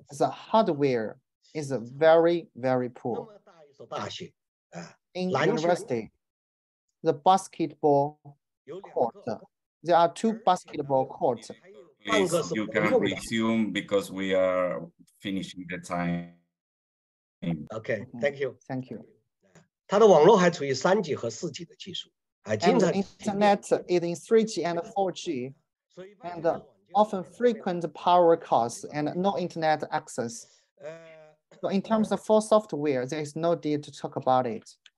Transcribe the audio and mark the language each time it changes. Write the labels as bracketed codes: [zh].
[en] The hardware is very, very poor. In university, the basketball court, there are two basketball courts. Please, you can resume because we are finishing the time. Okay, thank you. Thank you. [zh] 它的网络还处于3G和4G的技术。 [en] And the internet is in 3G and 4G, and often frequent power costs and no internet access. So in terms of full software, there is no need to talk about it.